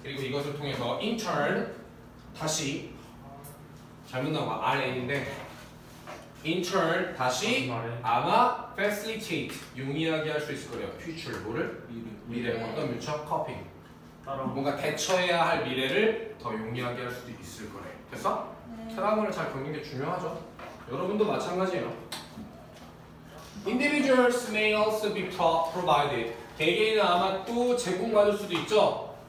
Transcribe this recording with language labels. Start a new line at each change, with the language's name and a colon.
Korean: 그리고 이것을 통해서
English: in turn
Korean: 다시 잘못 나온 거 RN인데 In turn, 다시 아마
English: facilitate,
Korean: 용이하게 할 수 있을 거래요.
English: Future,
Korean: 뭐를? 미래. 어떤 미처? Coping. 뭔가 대처해야 할 미래를 더 용이하게 할 수도 있을 거래. 됐어? 트라우마를 잘 겪는 게 중요하죠. 여러분도 마찬가지예요.
English: Individuals may also be provided.
Korean: 개개인은 아마 또 제공받을 수도 있죠.